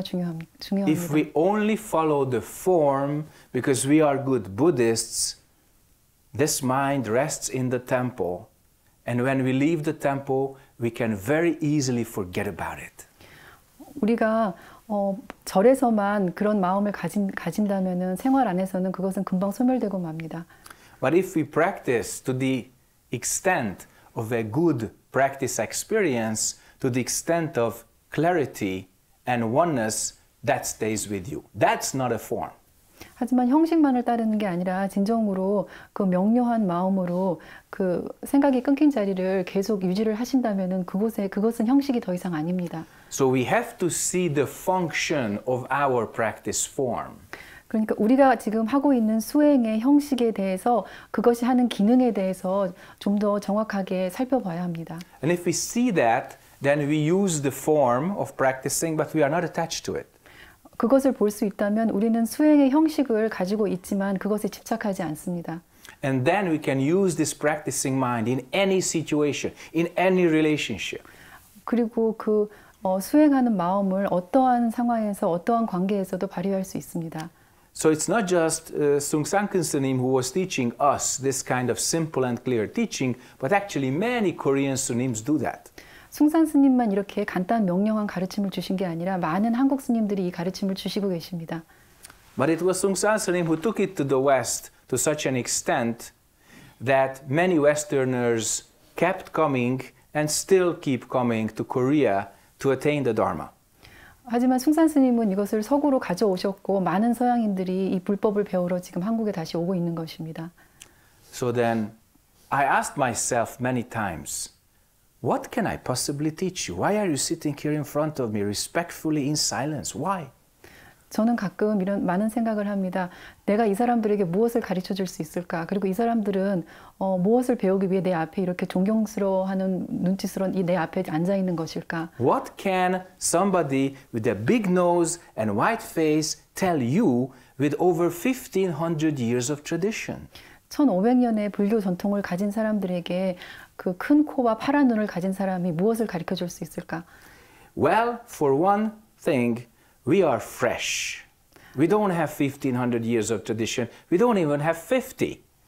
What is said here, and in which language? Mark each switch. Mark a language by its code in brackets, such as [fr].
[en] If [ko] 중요합니다. [en] we only follow the form because we are good Buddhists, this mind rests in the temple, and when we leave the temple, we can very easily forget about it. [ko] 우리가 절에서만 그런 마음을 가진다면은 생활 안에서는 그것은 금방 소멸되고 맙니다. [en] But if we practice to the extent of a good practice experience, to the extent of clarity and oneness, that stays with you. That's not a form. [ko] 하지만 형식만을 따르는 게 아니라 진정으로 그 명료한 마음으로 그 생각이 끊긴 자리를 계속 유지를 하신다면은 그것은 형식이 더 이상 아닙니다. [en] So we have to see the function of our practice form. [ko] 그러니까 우리가 지금 하고 있는 수행의 형식에 대해서 그것이 하는 기능에 대해서 좀더 정확하게 살펴봐야 합니다. [en] And if we see that, then we use the form of practicing, but we are not attached to it. [ko] 그것을 볼수 있다면 우리는 수행의 형식을 가지고 있지만 그것에 집착하지 않습니다. [en] And then we can use this practicing mind in any situation, in any relationship. [ko] 그리고 그 수행하는 마음을 어떠한 상황에서 어떠한 관계에서도 발휘할 수 있습니다. [en] So it's not just Sung Sankyun Sunim who was teaching us this kind of simple and clear teaching, but actually many Korean Sunims do that. [ko] 숭산 스님만 이렇게 간단 명료한 가르침을 주신 게 아니라 많은 한국 스님들이 이 가르침을 주시고 계십니다. [en] But it was Sung Sankyun Sunim who took it to the West to such an extent that many Westerners kept coming and still keep coming to Korea to attain the Dharma. [ko] 하지만 숭산 스님은 이것을 서구로 가져오셨고 많은 서양인들이 이 불법을 배우러 지금 한국에 다시 오고 있는 것입니다. [en] So then, I asked myself many times, what can I possibly teach you? Why are you sitting here in front of me respectfully in silence? Why? [ko] 저는 가끔 이런 많은 생각을 합니다. 내가 이 사람들에게 무엇을 가르쳐 줄수 있을까? 그리고 이 사람들은 무엇을 배우기 위해 내 앞에 이렇게 존경스러워하는 눈짓으로 이내 앞에 앉아 있는 것일까? [en] What can somebody with a big nose and white face tell you with over 1500 years of tradition? [ko] 1500년의 불교 전통을 가진 사람들에게 그큰 코와 파란 눈을 가진 사람이 무엇을 가르쳐 줄수 있을까? [en] Well, for one thing, we are fresh. We don't have 1500 years of tradition. We don't even have 50.